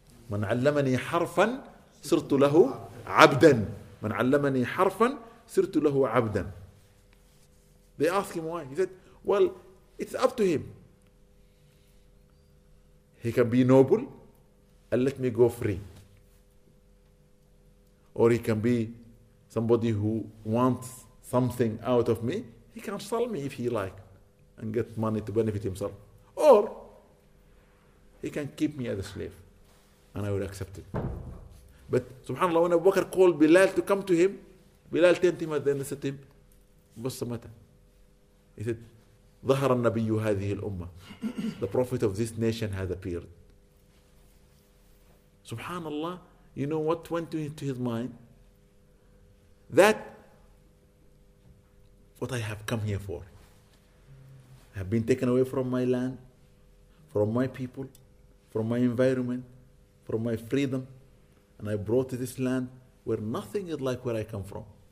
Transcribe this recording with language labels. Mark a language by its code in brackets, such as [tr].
[ar] من علمني حرفا صرت له عبدا. من علمني حرفا صرت له عبدا. [en] They ask him why. He said, well, it's up to him. He can be noble and let me go free. Or he can be somebody who wants something out of me. He can sell me if he likes and get money to benefit himself. Or he can keep me as a slave and I will accept it. But subhanAllah, when Abu Bakr called Bilal to come to him, Bilal turned to him and then said to him, what's the matter? [ar] He said, ظهر النبي هذه الأمة. [en] The prophet of this nation has appeared. SubhanAllah, you know what went into his mind? That, what I have come here for. I have been taken away from my land, from my people, from my environment, from my freedom, and I brought to this land where nothing is like where I come from.